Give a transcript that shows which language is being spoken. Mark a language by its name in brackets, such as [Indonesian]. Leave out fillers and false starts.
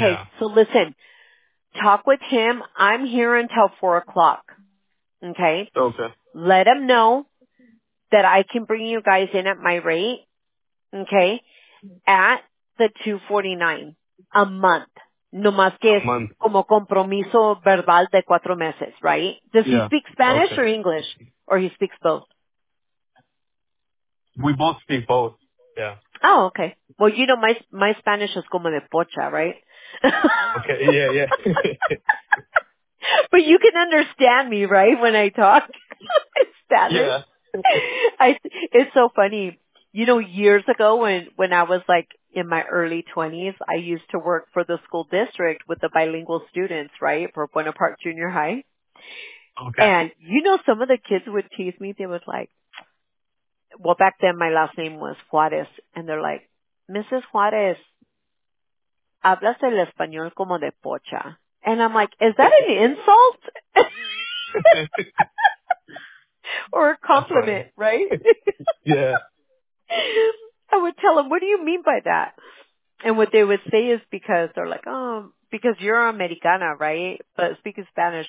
[English] Yeah. So listen, talk with him. I'm here until 4 o'clock. Okay. Okay. Let him know that I can bring you guys in at my rate, okay, at the $249 a month. [Spanish] No más que es como compromiso verbal de cuatro meses, right? [English] Does he speak Spanish or English? Or he speaks both? We both speak both, yeah. Oh, okay. Well, you know, my Spanish is [Spanish] como de pocha, [English] right? Okay, yeah, yeah. But you can understand me, right, when I talk Spanish? Yeah. It's so funny. You know, years ago when I was like in my early 20s, I used to work for the school district with the bilingual students, right, for Buena Park Junior High. Okay. And, you know, some of the kids would tease me. They would like, well, back then my last name was Juarez. And they're like, Mrs. [Spanish] Juarez, hablas el español como de pocha. [English] And I'm like, is that an insult? Or a compliment, right? Yeah. I would tell them, what do you mean by that? And what they would say is because they're like, oh, because you're Americana, right? But speaking Spanish.